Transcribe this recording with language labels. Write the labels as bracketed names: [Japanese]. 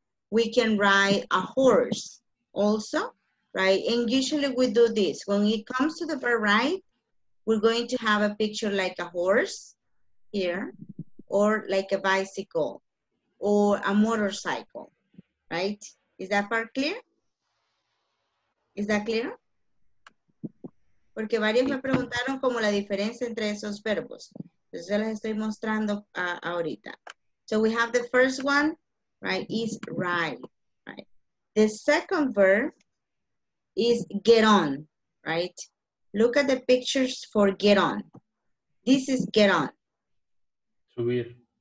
[English] We can ride a horse also, right? And usually we do this. When it comes to the verb ride, we're going to have a picture like a horse here, or like a bicycle, or a motorcycle, right? Is that part clear? Is that clear? [Spanish] Porque varios me preguntaron como la diferencia entre esos verbos. Entonces, yo les estoy mostrando ahorita. [English] So we have the first one, right, is ride, right? The second verb is get on, right? Look at the pictures for get on. This is get on. [Spanish] Subir.